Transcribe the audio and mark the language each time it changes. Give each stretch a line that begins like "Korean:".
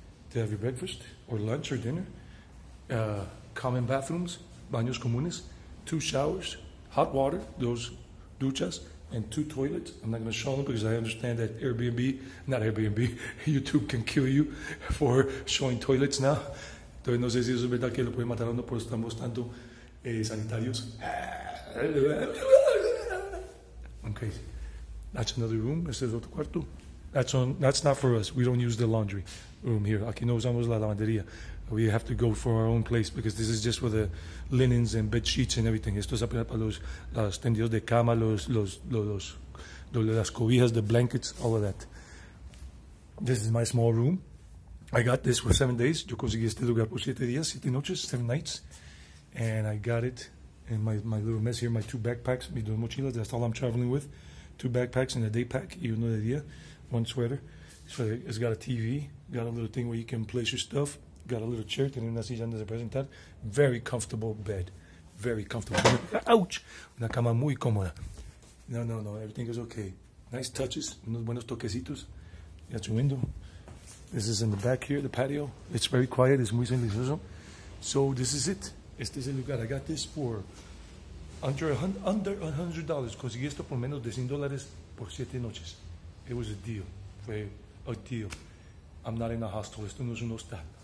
English: To have your breakfast or lunch or dinner. Common bathrooms,
Spanish: baños comunes,
English: two showers, hot water, those duchas, and two toilets. I'm not going to show them because I understand that Airbnb, not Airbnb, YouTube can kill you for showing toilets now.
Spanish: Entonces no sé si eso es verdad que lo puede matar a uno porque estamos tanto sanitarios.
English: I'm crazy. That's another room.
Spanish: Este es otro cuarto.
English: That's not for us. We don't use the laundry room here.
Spanish: Aquí no usamos la lavandería.
English: We have to go for our own place because this is just for the linens and bed sheets and everything.
Spanish: Esto es apenas para los tendidos de cama, las cobijas,
English: the blankets, all of that. This is my small room. I got this for 7 days.
Spanish: Yo conseguí este lugar por 7 días, 7 noches,
English: 7 nights. And I got it in my little mess here, my two backpacks,
Spanish: mis dos mochilas.
English: That's all I'm traveling with. Two backpacks and a day pack,
Spanish: y uno de día.
English: One sweater. So it's got a TV, got a little thing where you can place your stuff, got a little chair,
Spanish: tiene una silla donde se puede sentar,
English: very comfortable bed, very comfortable. Ouch!
Spanish: Una cama muy cómoda.
English: No, everything is okay. Nice touches,
Spanish: unos buenos toquecitos.
English: That's a window. This is in the back here, the patio. It's very quiet. It's
Spanish: muy silencioso.
English: So this is it.
Spanish: Este es el lugar.
English: I got this for under $100.
Spanish: Conseguí esto por menos de $100 por 7 noches.
English: It was a deal. Fue a deal. I'm not in a hostel.
Spanish: Esto no es un hostal.